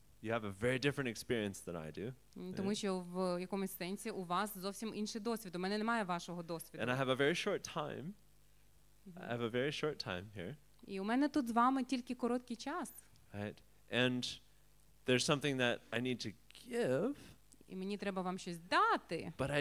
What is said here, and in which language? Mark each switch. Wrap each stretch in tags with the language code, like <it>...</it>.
<en>You have a very different experience than I do.</en> <uk>Тому що в якомусь сенсі у вас зовсім інший досвід. У мене немає вашого досвіду.</uk> <en>And I have a very short time. Mm-hmm. I have a very short time here.</en> <uk>І у мене тут з вами тільки короткий час.</uk> <en>Right. And there's something that I need to give.</en> <uk>І мені треба вам щось дати.</uk>